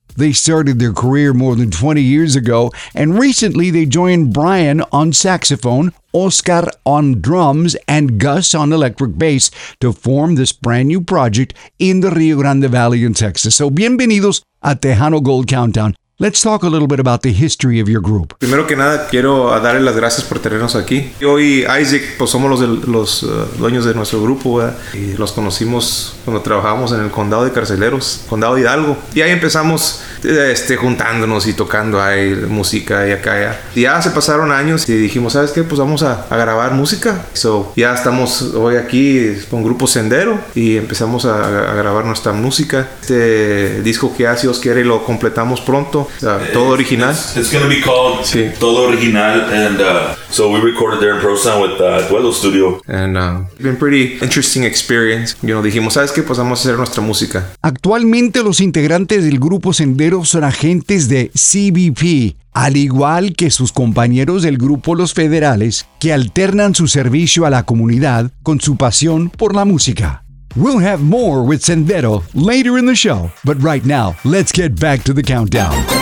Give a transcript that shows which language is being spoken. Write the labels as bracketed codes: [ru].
[en] They started their career more than 20 years ago, and recently they joined Brian on saxophone, Oscar on drums, and Gus on electric bass to form this brand new project in the Rio Grande Valley in Texas. So, [es] bienvenidos a [en] Tejano Gold Countdown. Let's talk a little bit about the history of your group. [es] Primero que nada, quiero darle las gracias por tenernos aquí. Yo y Isaac, pues somos los dueños de nuestro grupo, ¿verdad? Y los conocimos cuando trabajábamos en el condado de Carceleros, condado de Hidalgo. Y ahí empezamos juntándonos y tocando ahí música y acá ya. Y ya se pasaron años y dijimos, ¿sabes qué? Pues vamos a grabar música. So, ya estamos hoy aquí con Grupo Sendero y empezamos a grabar nuestra música. Este disco que hace, si Dios quiere, lo completamos pronto. Todo original. [en] It's going to be called sí. Todo Original. And so we recorded there in ProSound with Duelo Studio. And it's been pretty interesting experience. You know, [es] dijimos, ¿sabes qué? Pues vamos a hacer nuestra música. Actualmente los integrantes del Grupo Sendero son agentes de CBP, al igual que sus compañeros del grupo Los Federales, que alternan su servicio a la comunidad con su pasión por la música. [en] We'll have more with Sendero later in the show, but right now, let's get back to the countdown.